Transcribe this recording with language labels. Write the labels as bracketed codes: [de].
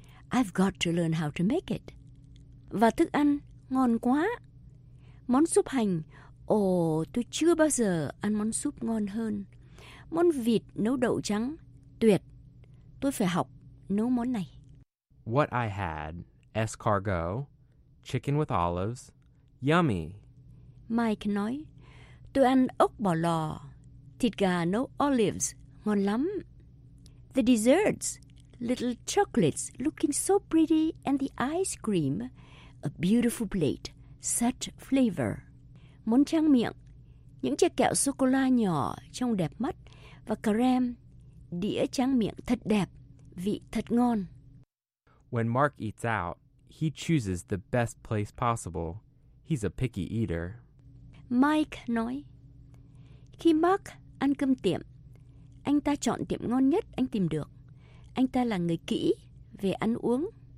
[en] I've got to learn how to make it. [vi] Và thức ăn, ngon quá. Món súp hành, tôi chưa bao giờ ăn món súp ngon hơn. Món vịt nấu đậu trắng, tuyệt. Tôi phải học nấu món này. [en] What I had, escargot, chicken with olives, yummy. [vi] Mike nói, tôi ăn ốc bò lò, thịt gà nấu olives, ngon lắm. [en] The desserts, little chocolates looking so pretty and the ice cream, a beautiful plate, such flavor. [vi] Món tráng miệng, những chiếc kẹo sô-cô-la nhỏ trông đẹp mắt và kem, đĩa tráng miệng thật đẹp, vị thật ngon. [en] When Mark eats out, he chooses the best place possible. He's a picky eater. [vi] Mike nói, khi Mark ăn cơm tiệm, anh ta chọn tiệm ngon nhất anh tìm được. Anh ta là người kỹ về ăn uống.